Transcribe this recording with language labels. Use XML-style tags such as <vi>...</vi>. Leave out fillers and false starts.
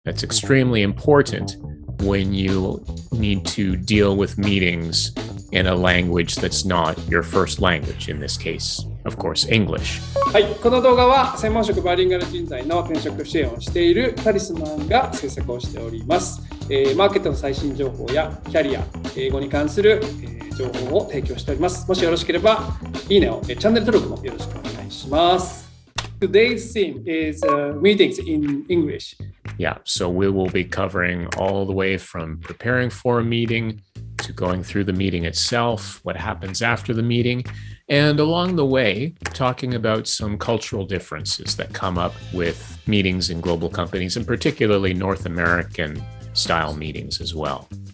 <en>That's extremely important when you need to deal with meetings in a language that's not your first language, in this case, of course, English.</en> <ja>はい、この動画は専門職バイリンガル人材の転職支援をしているタリスマンが制作をしております。マーケットの最新情報やキャリア、英語に関する、情報を提供しております。もしよろしければ、いいねを、チャンネル登録もよろしくお願いします。</ja> <en>Today's theme is meetings in English. Yeah, so we will be covering all the way from preparing for a meeting to going through the meeting itself, what happens after the meeting, and along the way, talking about some cultural differences that come up with meetings in global companies, and particularly North American style meetings as well.</en>